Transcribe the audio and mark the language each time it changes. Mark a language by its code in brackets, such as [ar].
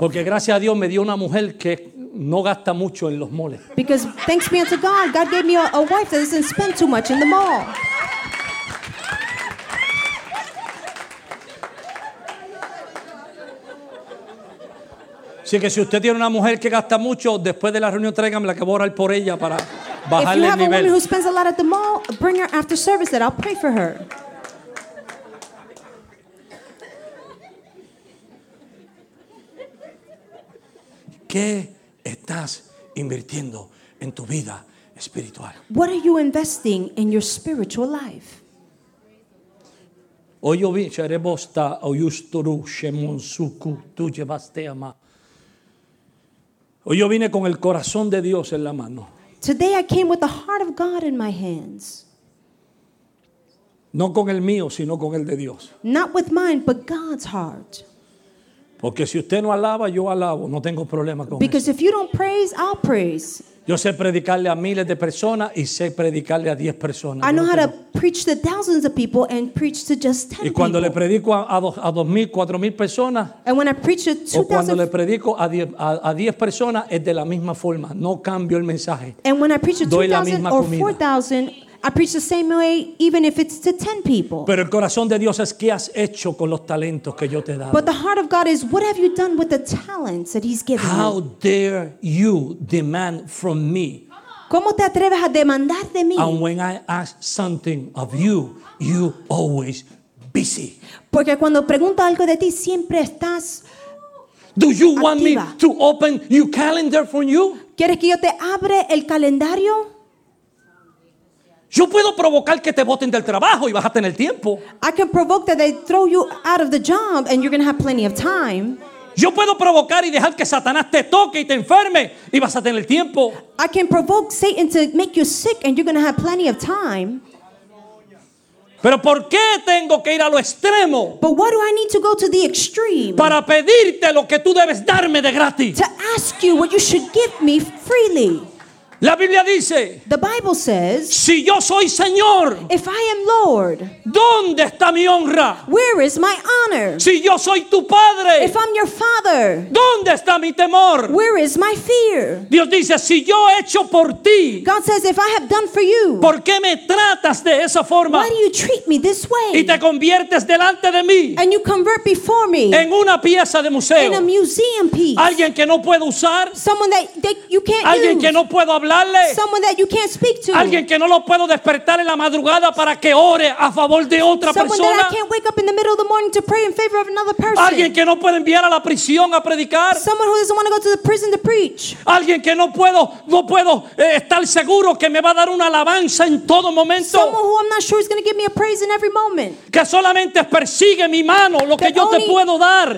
[es] Porque gracias a Dios me dio una mujer que no gasta mucho en los malls. [en] Because thanks be unto God, God gave me a wife that doesn't spend too much in the mall. [es] Así que si usted tiene una mujer que gasta mucho, después de la reunión tráigamela que voy a orar por ella para. [en] If you have a [es] nivel. [en] Woman who spends a lot at the mall, bring her after service that I'll pray for her. [es] ¿Qué estás invirtiendo en tu vida espiritual? [en] What are you investing in your spiritual life? Oyo vi cherebosta oyusturu shemon suku tu llevaste ama. [es] Hoy yo vine con el corazón de Dios en la mano. [en] Today I came with the heart of God in my hands. [es] No con el mío, sino con el de Dios. [en] Not with mine, but God's heart. [es] Porque si usted no alaba, yo alabo. No tengo problema con [en] because [es] eso. [en] If you don't praise, I'll praise. [es] Yo sé predicarle a miles de personas y sé predicarle a 10 personas. [en] I know how to preach to thousands of people and preach to just 10 people. [es] Y cuando le predico a 2,000, 4,000 personas, [en] and when I preach to 2,000, [es] o cuando le predico a 10 personas, es de la misma forma. No cambio el mensaje. [en] And when I preach to 2,000 or 4,000, I preach the same way even if it's to 10 people. [es] Pero el corazón de Dios es qué has hecho con los talentos que yo te he dado. [en] But the heart of God is what have you done with the talents that he's given you? How dare you demand from me? [es] ¿Cómo te atreves a demandar de mí? [en] And when I ask something of you, you always busy. [es] Porque cuando pregunto algo de ti, siempre estás [en] Do you [es] activa. [en] Want me to open your calendar for you? [es] ¿Quieres que yo te abra el calendario? Yo puedo provocar que te boten del trabajo y vas a tener tiempo. [en] I can provoke that they throw you out of the job and you're going to have plenty of time. [es] Yo puedo provocar y dejar que Satanás te toque y te enferme y vas a tener tiempo. [en] I can provoke Satan to make you sick and you're going to have plenty of time. [es] Pero ¿por qué tengo que ir a lo extremo? [en] But why do I need to go to the extreme? [es] Para pedirte lo que tú debes darme de gratis. [en] To ask you what you should give me freely. [es] La Biblia dice, [en] the Bible says, [es] si yo soy Señor, [en] if I am Lord, [es] ¿dónde está mi honra? [en] Where is my honor? [es] Si yo soy tu padre, [en] if I'm your father, [es] ¿dónde está mi temor? [en] Where is my fear? [es] Dios dice, si yo he hecho por ti, [en] God says, if I have done for you, [es] ¿por qué me tratas de esa forma? [en] Why do you treat me this way? [es] Y te conviertes delante de mí, [en] and you convert before me, [es] en una pieza de museo, [en] in a museum piece, [es] alguien que no puedo usar, [en] someone that you can't [es] alguien [en] use, [es] que no puedo hablar. [en] Someone that you can't speak to. [es] Alguien que no lo puedo despertar en la madrugada para que ore a favor de otra persona. [en] Someone that I can't wake up in the middle of the morning to pray in favor of another person. [es] Alguien que no puedo enviar a la prisión a predicar. [en] Someone who doesn't want to go to the prison to preach. [es] Alguien que no puedo estar seguro que me va a dar una alabanza en todo momento. [en] Someone who I'm not sure is going to give me a praise in every moment. [es] Que solamente persigue mi mano lo que yo te puedo dar.